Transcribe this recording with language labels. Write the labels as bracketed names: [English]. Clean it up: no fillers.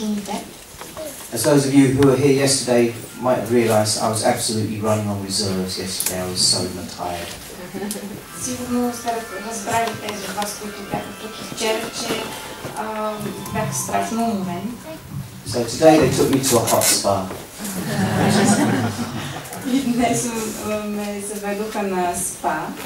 [English] As those of you who were here yesterday might have realized I was absolutely running on reserves yesterday. I was so tired. [Bulgarian] Сигурно сте разбрали тези от вас, които бяха тук и вчера, че бяха страшно умен. [English] So today they took me to a hot spa. [Bulgarian] И днес ме заведоха на спа.